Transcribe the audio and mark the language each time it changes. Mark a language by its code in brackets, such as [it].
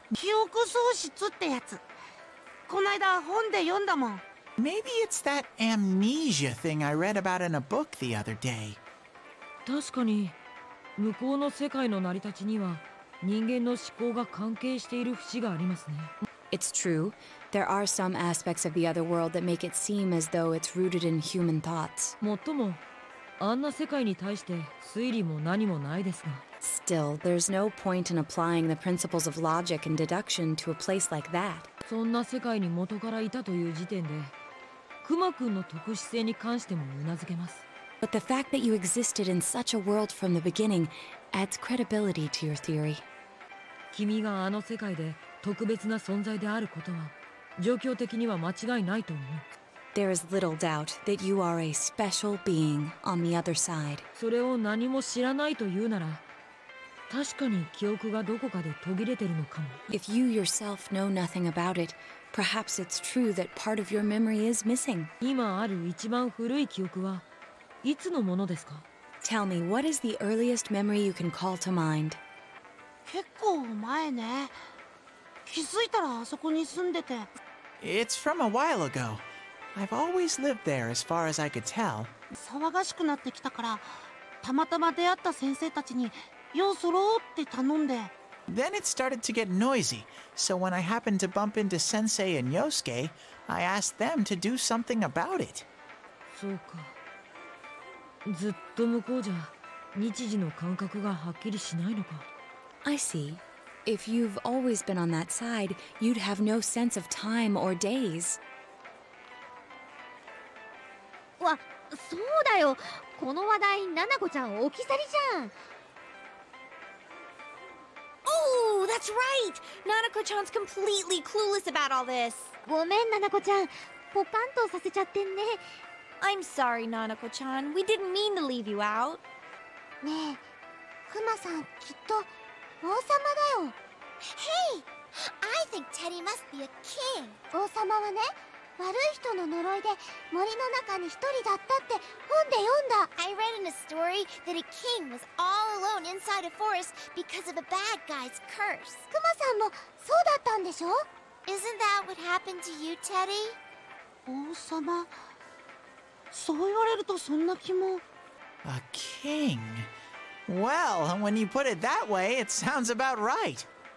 [ja] 記憶喪失ってやつ。こないだ本で読んだもん。 [en] Maybe it's that amnesia thing I read about in a book the other day. [ja] 確かに、向こうの世界の成り立ちには、人間の思考が関係している節がありますね。 [en] It's true. There are some aspects of the other world that make it seem as though it's rooted in human thoughts. [ja] もっとも、あんな世界に対して推理も何もないですが。 [en] Still, there's no point in applying the principles of logic and deduction to a place like that. [ja] そんな世界に元からいたという時点で、クマ君の特殊性に関しても頷けます。 [en] But the fact that you existed in such a world from the beginning adds credibility to your theory. [ja] 君があの世界で特別な存在であることは、状況的には間違いないと思う。 [en] There is little doubt that you are a special being on the other side. [ja] それを何も知らないというなら、確かに記憶がどこかで途切れてるのかも。 [en] If you yourself know nothing about it, perhaps it's true that part of your memory is missing. [ja] 今ある一番古い記憶はいつのものですか? [en] Tell me, what is the earliest memory you can call to mind? [ja] 結構前ね。気づいたらあそこに住んでて。 [en] It's from a while ago. I've always lived there as far as I could tell. [ja] 騒がしくなってきたから、たまたま出会った先生たちに、ようそろって頼んで。 [en] Then it started to get noisy. So when I happened to bump into Sensei and Yosuke, I asked them to do something about it. [ja] そうか。ずっと向こうじゃ、日時の感覚がはっきりしないのか。 [en] I see. If you've always been on that side, you'd have no sense of time or days. [ja] わ、そうだよ。この話題、ナナコちゃん置き去りじゃん。 [en] Oh, that's right! Nanako-chan's completely clueless about all this. [ja] ごめん、ナナコちゃん。ポカンとさせちゃってね。 [en] I'm sorry, Nanako-chan. We didn't mean to leave you out. [ja] ねえ、クマさん、きっと…王様だよ。 [en] Hey! I think Teddy must be a king! [ja] 王様はね、悪い人の呪いで森の中に一人だったって本で読んだ。 [en] I read in a story that a king was all alone inside a forest because of a bad guy's curse. [ja] クマさんもそうだったんでしょ? [en] Isn't that what happened to you, Teddy? [ja] 王様…そう言われるとそんな気も… [en] A king? Well, when you put it that way, it sounds about right.